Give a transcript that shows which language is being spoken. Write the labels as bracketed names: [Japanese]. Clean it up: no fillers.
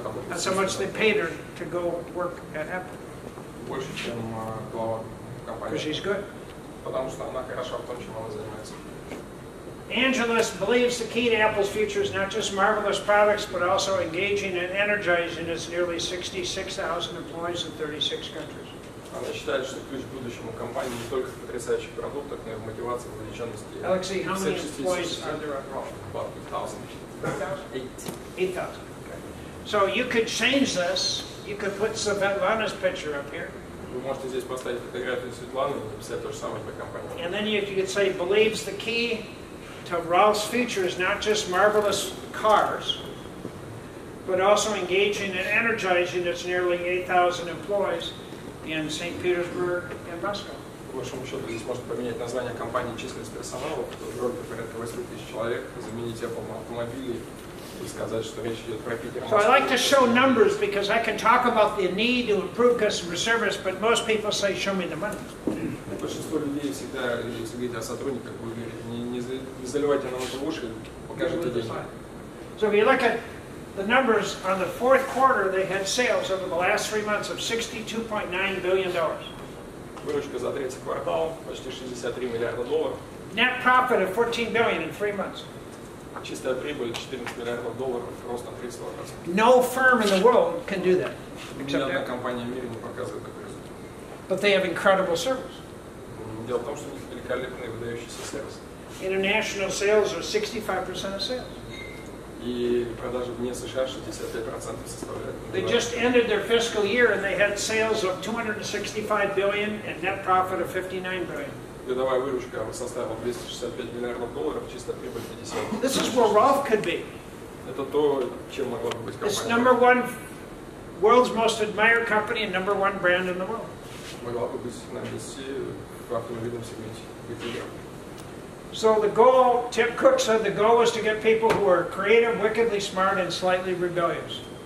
[English] That's how much they paid her to go work at Apple. [Russian] Больше, чем глава. [English] Because she's good. [Russian] Потому что она хороша в том, чем она занимается. [English] Angela believes the key to Apple's future is not just marvelous products, but also engaging and energizing its nearly 66,000 employees in 36 countries. [Russian] Она считает, что ключ к будущему компании не только в потрясающих продуктах, но и в мотивации, вовлеченности. [English] Alexei, how many employees are there at Rolf? About 8,000. 8,000. Okay. So you could change this. You could put Svetlana's picture up here. [Russian] Вы можете здесь поставить фотографию Светланы и написать то же самое для компании. [English] And then you could say believes the key to Rolf's future is not just marvelous cars, but also engaging and energizing its nearly 8,000 employees in St. Petersburg and Moscow. [Russian] По большому счету, здесь можно поменять название компании численность персонала, которая порядка 8000 человек, заменить Apple на автомобили и сказать, что речь идет про Питер. [English] So I like to show numbers because I can talk about the need to improve customer service, but most people say, show me the money. [Russian] большинство людей всегда, если говорить о сотрудниках, вы говорите, не заливайте на ваши уши, покажите деньги. [English] So if you look at the numbers on the fourth quarter, they had sales over the last three months of $62.9 billion. [Russian] Выручка за третий квартал почти 63 миллиарда долларов. [English] Net profit of $14 billion in three months. [Russian] Чистая прибыль 14 миллиардов долларов, рост на 32%. [English] No firm in the world can do that. [Russian] Ни одна компания в мире не показывает такой результат. [English] But they have incredible service. [Russian] Дело в том, что у них великолепный выдающийся сервис. [English] International sales are 65% of sales. [Russian] И продажи вне США 65% составляют. [English] They just ended their fiscal year and they had sales of $265 billion and net profit of $59 billion. [Russian] Годовая выручка составила 265 миллиардов долларов, чистая прибыль 50. [English] This is where Rolf could be. [Russian] Это то, чем могла бы быть компания. [English] It's number one, world's most admired company and number one brand in the world. [Russian] Могла бы быть на месте в автомобильном сегменте. [English] So the goal, Tim Cook said, the goal was to get people who are creative, wickedly smart and slightly rebellious.